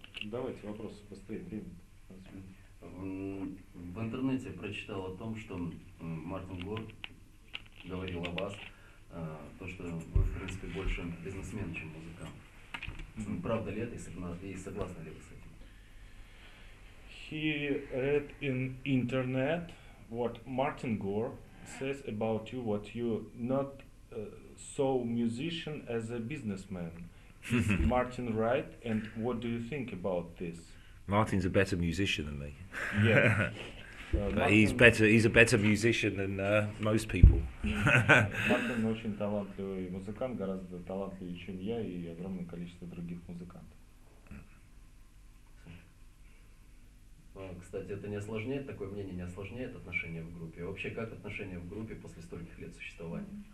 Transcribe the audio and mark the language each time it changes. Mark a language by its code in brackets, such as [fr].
[ru] Давайте вопросы быстрее, время-то. В интернете прочитал о том, что Мартин Гор говорил о вас, то, что вы, в принципе, больше бизнесмен, чем музыкант. Правда ли это, и согласны ли вы с этим? [en] He read in internet what Martin Gore says about you, what you not so musician as a businessman. Is Martin right, and what do you think about this? Martin's a better musician than me. Yeah. But Martin, he's a better musician than most people. [ru] Martin очень талантливый музыкант, гораздо талантливее, чем я и огромное количество других музыкантов. Кстати, это не осложняет, такое мнение не осложняет отношения в группе. Вообще, как отношения в группе после стольких лет существования?